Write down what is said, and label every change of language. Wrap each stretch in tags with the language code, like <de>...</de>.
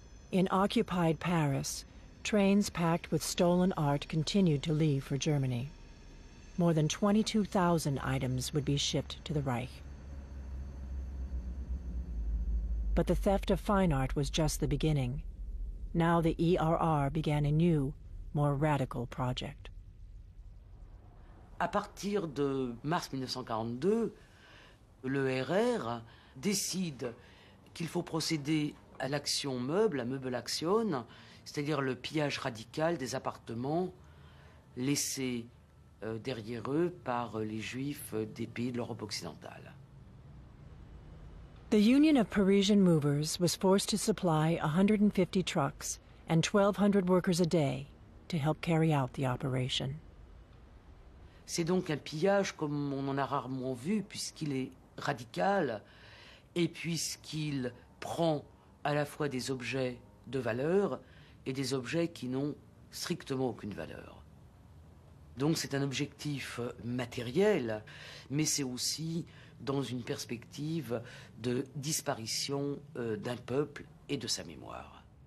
<en>In occupied Paris, trains packed with stolen art continued to leave for Germany. More than 22,000 items would be shipped to the Reich. But the theft of fine art was just the beginning. Now the ERR began a new, more radical project.</en> <fr>À partir de mars 1942, l'ERR décide qu'il faut procéder à l'action meuble, à meuble action, c'est-à-dire le pillage radical des appartements laissés derrière eux par les Juifs des pays de l'Europe occidentale.</fr> <en>The Union of Parisian Movers was forced to supply 150 trucks and 1,200 workers a day to help carry out the operation.</en> <fr>C'est donc un pillage comme on en a rarement vu, puisqu'il est radical et puisqu'il prend à la fois des objets de valeur et des objets qui n'ont strictement aucune valeur. Donc c'est un objectif matériel, mais c'est aussi dans une perspective de disparition d'un peuple et de sa mémoire.</fr>